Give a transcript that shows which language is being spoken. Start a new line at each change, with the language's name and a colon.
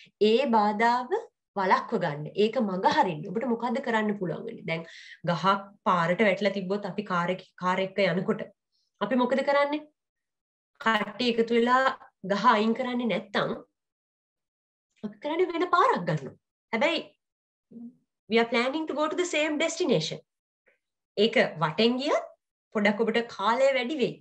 Sinhala: ඒ බාධාව වළක්ව ගන්න. ඒක මඟ හරින්න ඔබට මොකද්ද කරන්න පුළුවන් වෙන්නේ? දැන් ගහක් පාරට වැටලා තිබ්බොත් අපි කාර් එක යනකොට අපි මොකද කරන්නේ? කට්ටි එකතු වෙලා ගහ අයින් කරන්නේ නැත්තම් කරන්නේ වෙන පාරක් ගන්නවා.
English: හැබැයි we are planning to go to the same destination.
Sinhala: ඒක වටෙන් ගිය පොඩක් ඔබට කාලය වැඩි වෙයි.